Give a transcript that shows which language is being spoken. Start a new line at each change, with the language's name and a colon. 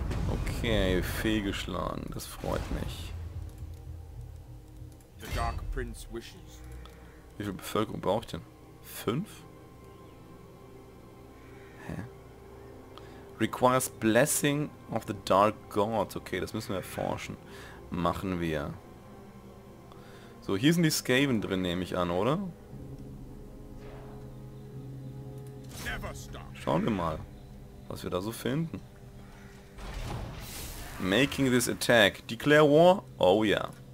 German: Okay, fehlgeschlagen, das freut mich. Wie viel Bevölkerung brauche ich denn? 5? Hä?
English: Requires Blessing of the Dark Gods.
German: Okay, das müssen wir erforschen. Machen wir. So, hier sind die Skaven drin, nehme ich an, oder? Schauen wir mal, was wir da so finden.
English: Making this attack. Declare war? Oh yeah.